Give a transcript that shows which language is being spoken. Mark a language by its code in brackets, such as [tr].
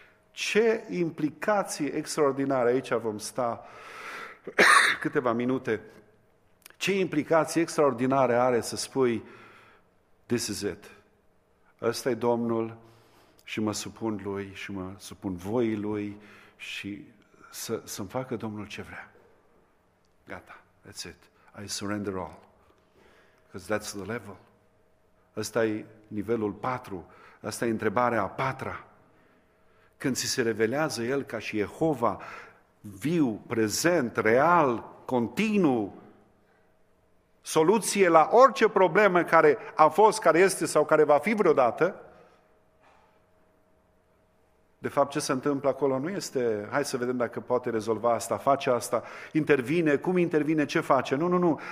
[ro] Ce implicații extraordinare, aici vom sta câteva minute, ce implicații extraordinare are să spui, [en] this is it, [ro] ăsta e Domnul și mă supun lui și mă supun voii lui și să-mi facă Domnul ce vrea. Gata, [en] that's it, I surrender all, because that's the level. [ro] Ăsta e nivelul 4, ăsta e întrebarea a patra. Când ți se revelează El ca și Jehova, viu, prezent, real, continuu, soluție la orice problemă care a fost, care este sau care va fi vreodată, de fapt ce se întâmplă acolo nu este, hai să vedem dacă poate rezolva asta, face asta, intervine, cum intervine, ce face. Nu.